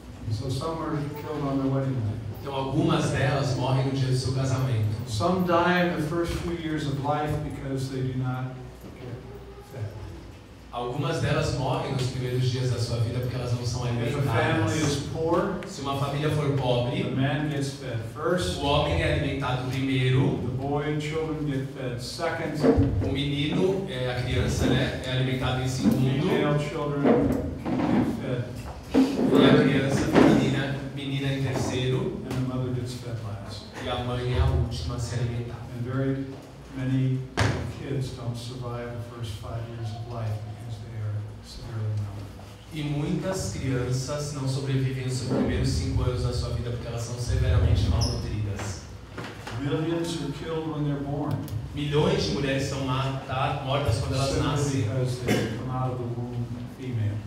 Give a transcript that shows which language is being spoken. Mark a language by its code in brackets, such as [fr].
[en] So some are killed on their wedding night. [pt] Então algumas delas morrem no dia do seu casamento. [en] Some die in the first few years of life because they do not. [pt] Algumas delas morrem nos primeiros dias da sua vida porque elas não são alimentadas. [en] If a family is poor, [pt] se uma família for pobre, [en] the man gets fed first, [pt] o homem é alimentado primeiro, [en] the boy and children get fed second, [pt] o menino, a criança, né, é alimentado em segundo, [en] the male children get fed [pt] first, e a criança, menina em terceiro, [en] and the mother gets fed last. [pt] E a mãe é a última a ser alimentada. [en] And very many kids don't survive the first 5 years of life because they are severely malnourished. [pt] E muitas crianças não sobrevivem nos primeiros 5 anos da sua vida porque elas são severamente malnutridas. [en] Millions are killed when they're born. [pt] Milhões de mulheres são mortas quando elas nascem. [en] Because they come out of the womb female.